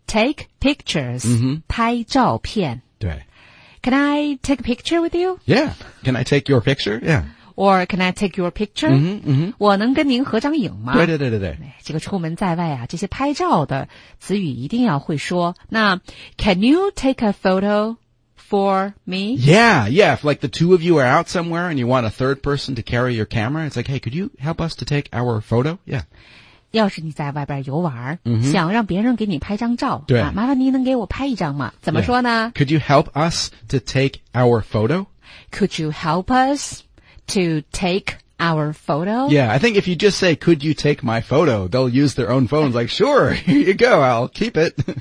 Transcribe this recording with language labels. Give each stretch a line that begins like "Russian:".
English: Take pictures. Mm-hmm.
Chinese: 拍照片. 对.
English: Can I take a picture with you? Yeah. Can I take your picture? Yeah. Or can I take your picture? Mm-hmm, mm-hmm.
Chinese: 我能跟您合张影吗? 对对对对对。这个出门在外啊，这些拍照的词语一定要会说。
English: 那 can you take a photo for me? Yeah, yeah. If like the two of you are out somewhere and you want a third person to carry your camera, it's like, hey, could you help us to take our photo? Yeah.
Chinese: 要是你在外边游玩，想让别人给你拍张照， mm-hmm. 麻烦您能给我拍一张吗？怎么说呢？
English: Yeah. Could you help us to take our photo? Could you help us to take our photo? Yeah, I think if you just say, could you take my photo, they'll use their own phones like, sure, here you go, I'll keep it.